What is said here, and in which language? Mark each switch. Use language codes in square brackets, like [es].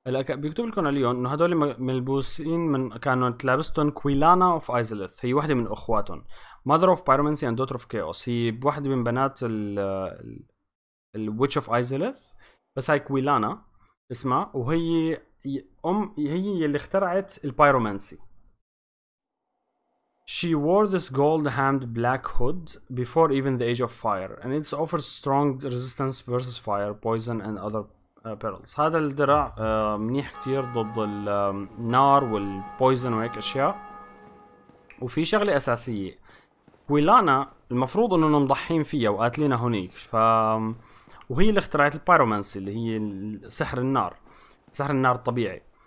[ar] بيكتب لكم عليهم انه هذول ملبوسين من كانوا تلابستون كويلانا اوف ايزليث، هي وحده من اخواتهم، [en] Mother of pyromancy and daughter of chaos. [ar] هي وحده من بنات الويتش اوف ايزليث، بس هاي كويلانا اسمها، وهي ام هي اللي اخترعت البايرومانسي. [en] She wore this gold-hemmed black hood before even the Age of Fire, and it offers strong resistance versus fire, poison, and other perils. [ar] هذا الدرع منيح كتير ضد النار والبويزن وهيك أشياء. وفي شغلة أساسية، ويلانا المفروض إنه نضحين فيها وقاتلينا هونيك، وهي اللي اخترعت البايرومانسي اللي هي سحر النار، سحر النار الطبيعي.